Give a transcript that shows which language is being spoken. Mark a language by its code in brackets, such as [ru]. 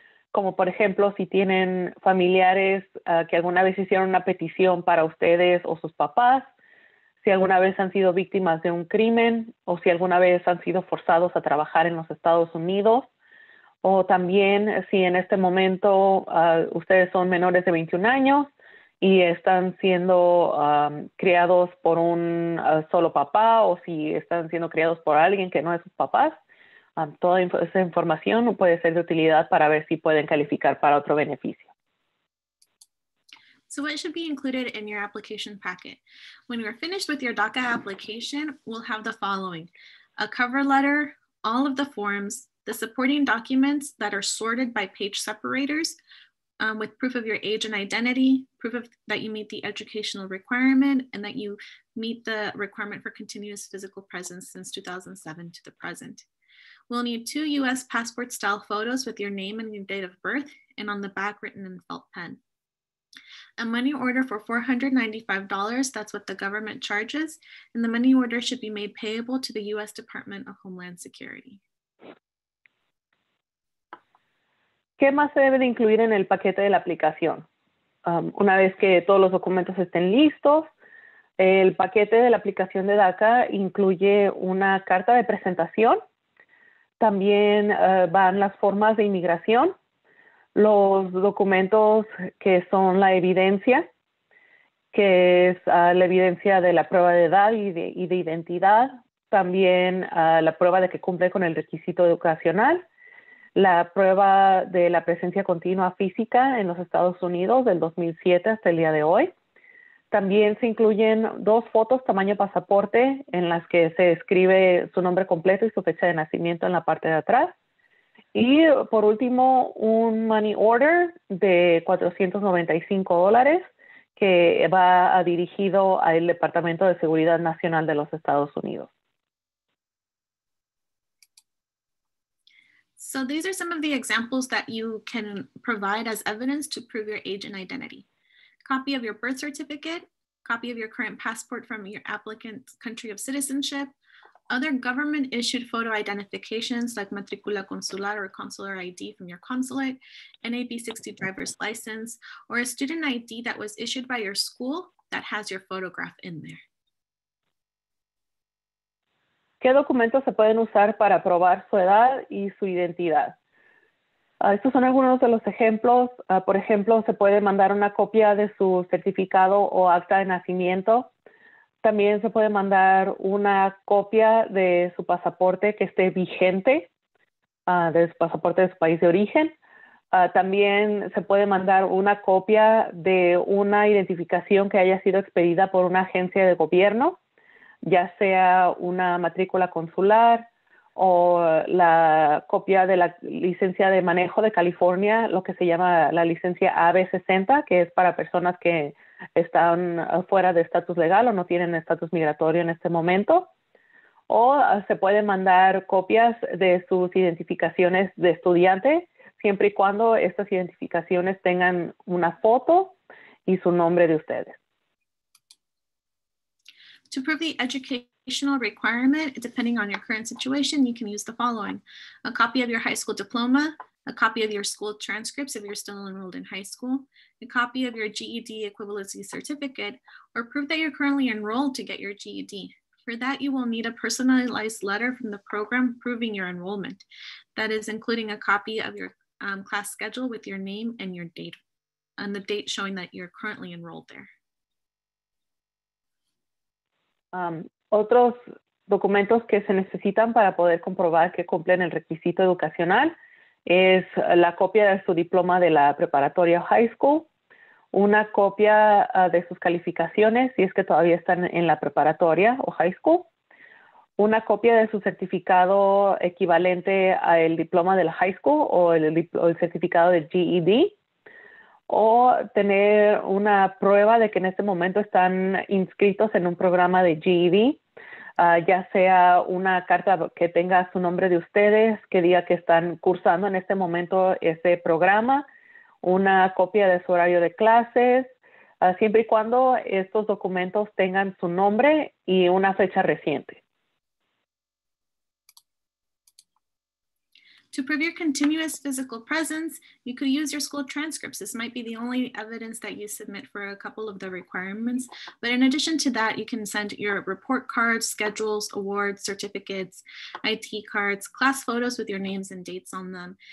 [es] Como por ejemplo, si tienen familiares que alguna vez hicieron una petición para ustedes o sus papás, si alguna vez han sido víctimas de un crimen o si alguna vez han sido forzados a trabajar en los Estados Unidos, o también si en este momento ustedes son menores de 21 años y están siendo criados por un solo papá o si están siendo criados por alguien que no es sus papás. Toda esa información puede ser de utilidad para ver si pueden calificar para otro beneficio. [en] So what should be included in your application packet? When you're finished with your DACA application, we'll have the following: a cover letter, all of the forms, the supporting documents that are sorted by page separators, with proof of your age and identity, proof of that you meet the educational requirement, and that you meet the requirement for continuous physical presence since 2007 to the present. We'll need two US passport style photos with your name and your date of birth and on the back written in felt pen. A money order for $495, that's what the government charges, and the money order should be made payable to the US Department of Homeland Security. [es] ¿Qué más se debe de incluir en el paquete de la aplicación? Una vez que todos los documentos estén listos, el paquete de la aplicación de DACA incluye una carta de presentación. También van las formas de inmigración, los documentos que son la evidencia, que es la evidencia de la prueba de edad y de identidad, también la prueba de que cumple con el requisito educacional, la prueba de la presencia continua física en los Estados Unidos del 2007 hasta el día de hoy. También se incluyen dos fotos tamaño pasaporte en las que se escribe su nombre completo y su fecha de nacimiento en la parte de atrás. Y por último, un money order de $495 que va dirigido al Departamento de Seguridad Nacional de los Estados Unidos. [en] So these are some of the examples that you can provide as evidence to prove your age and identity. Copy of your birth certificate, copy of your current passport from your applicant's country of citizenship, other government issued photo identifications like matricula consular or consular ID from your consulate, NAB60 driver's license, or a student ID that was issued by your school that has your photograph in there. [es] ¿Qué documentos se pueden usar para probar su edad y su identidad? Estos son algunos de los ejemplos. Por ejemplo, se puede mandar una copia de su certificado o acta de nacimiento. También se puede mandar una copia de su pasaporte que esté vigente, de su pasaporte de su país de origen. También se puede mandar una copia de una identificación que haya sido expedida por una agencia de gobierno, ya sea una matrícula consular o la copia de la licencia de manejo de California, lo que se llama la licencia AB60, que es para personas que están fuera de estatus legal o no tienen estatus migratorio en este momento. O se pueden mandar copias de sus identificaciones de estudiante, siempre y cuando estas identificaciones tengan una foto y su nombre de ustedes. [en] To prove the educational requirement, depending on your current situation, you can use the following. A copy of your high school diploma, a copy of your school transcripts if you're still enrolled in high school, a copy of your GED equivalency certificate, or proof that you're currently enrolled to get your GED. For that, you will need a personalized letter from the program proving your enrollment. That is including a copy of your class schedule with your name and your date, and the date showing that you're currently enrolled there. [es] Otros documentos que se necesitan para poder comprobar que cumplen el requisito educacional es la copia de su diploma de la preparatoria high school, una copia de sus calificaciones si es que todavía están en la preparatoria o high school, una copia de su certificado equivalente al diploma de la high school o el certificado de GED, o tener una prueba de que en este momento están inscritos en un programa de GED, ya sea una carta que tenga su nombre de ustedes, que diga que están cursando en este momento ese programa, una copia de su horario de clases, siempre y cuando estos documentos tengan su nombre y una fecha reciente. [en] To prove your continuous physical presence, you could use your school transcripts. This might be the only evidence that you submit for a couple of the requirements. But in addition to that, you can send your report cards, schedules, awards, certificates, IT cards, class photos with your names and dates on them.